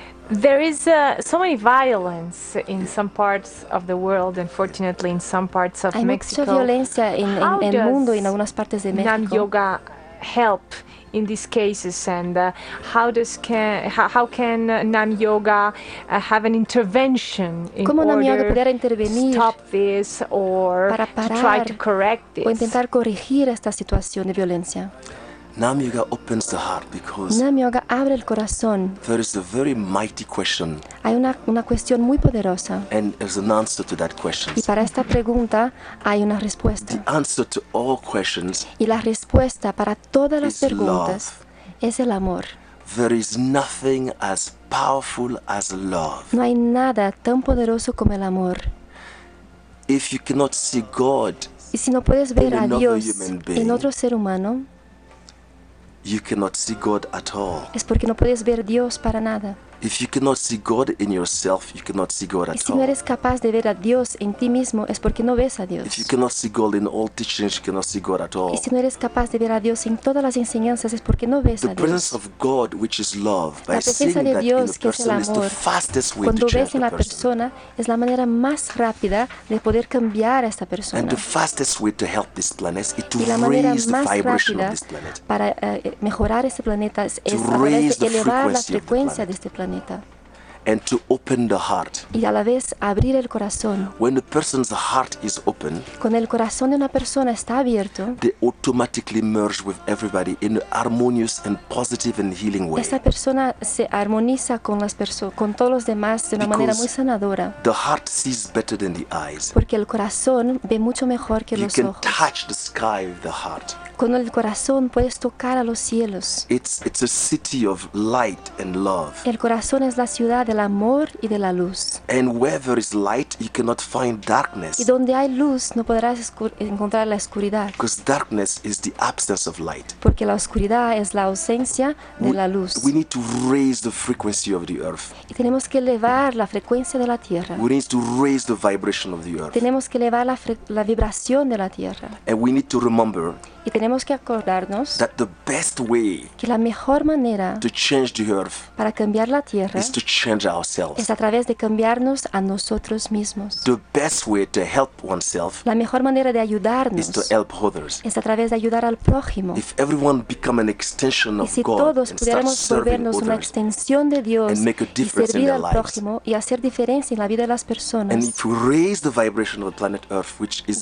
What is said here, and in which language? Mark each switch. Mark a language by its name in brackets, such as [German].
[English] There is so many violence in some parts of the world, unfortunately, in some parts of [Spanish] hay [English] Mexico. [Spanish] Mucha violencia en el mundo y en algunas partes de México. [English] Naam Yoga help in these cases, and how can Naam Yoga have an intervention in [Spanish] ¿cómo [English] order [Spanish] yoga poder intervenir [English] to stop this or [Spanish] para parar [English] to try to correct this? [Spanish] O intentar corregir esta situación de violencia. [English] Naam Yoga opens the heart because [Spanish] Naam Yoga abre el corazón. [English] There is a very mighty question. [Spanish] Hay una cuestión muy poderosa. [English] And there's an answer to that question. [Spanish] Y para esta pregunta hay una respuesta. [English] The answer to all questions. [Spanish] Y la respuesta para todas las preguntas [English] love. [Spanish] Es el amor. [English] There is nothing as powerful as love. [Spanish] No hay nada tan poderoso como el amor. [English] If you cannot see God, [Spanish] y si no puedes ver a Dios [English] being, [Spanish] en otro ser humano, [English] you cannot see God at all. [Spanish] Es porque no puedes ver Dios para nada. [English] If you cannot see God in yourself, you cannot see God at all. [Spanish] Y si no eres capaz de ver a Dios en ti mismo, es porque no ves a Dios. [English] If you cannot see God in all teachings, you cannot see God at all. [Spanish] Y si no eres capaz de ver a Dios en todas las enseñanzas, es porque no ves a Dios. [English] The presence of God, which is love, by seeing that [Spanish] Dios, [English] in the person, is the fastest way to change the person. [Spanish] Cuando ves en la persona, es la manera más rápida de poder cambiar a esta persona. [English] And the fastest way to help this planet is to raise the vibration of this planet. [Spanish] Para mejorar este planeta es [English] to raise the [Spanish] elevar [English] frequency [Spanish] la frecuencia [English] of the planet. [Spanish] De este planeta. [English] And to open the heart. [Spanish] Y a la vez abrir el corazón. [English] When the person's heart is open, [Spanish] cuando el corazón de una persona está abierto, [English] they automatically merge with everybody in a harmonious and positive and healing way. [Spanish] Esta persona se armoniza con las personas, con todos los demás de una manera muy sanadora. [English] The heart sees better than the eyes. [Spanish] Porque el corazón ve mucho mejor que [English] you [Spanish] los ojos. [English] You can touch the sky with the heart. [Spanish] Con el corazón puedes tocar a los cielos. [English] It's a city of light and love. [Spanish] El corazón es la ciudad del amor y de la luz. [English] And where there is light, you cannot find darkness. [Spanish] Y donde hay luz, no podrás encontrar la oscuridad. [English] Because darkness is the absence of light. [Spanish] Porque la oscuridad es la ausencia de la luz. [English] We need to raise the frequency of the earth. [Spanish] Y tenemos que elevar la frecuencia de la tierra. [English] We need to raise the vibration of the earth. [Spanish] Tenemos que elevar la vibración de la tierra. [English] And we need to remember. [Spanish] Y tenemos que acordarnos [English] that the best way [Spanish] que la mejor manera [English] to change the earth [Spanish] para cambiar la tierra [English] is to change ourselves. [Spanish] Es a través de cambiarnos a nosotros mismos. [English] The best way to help oneself [Spanish] la mejor manera de ayudarnos [English] is to help others. [Spanish] Es a través de ayudar al prójimo. [English] If everyone become an extension of [Spanish] y si [English] God [Spanish] todos pudiéramos volvernos una extensión de Dios [English] and make a difference [Spanish] y servir [English] in their [Spanish] al prójimo [English] lives. [Spanish] Y hacer diferencia en la vida de las personas [English] and if we raise the vibration of the planet earth, which is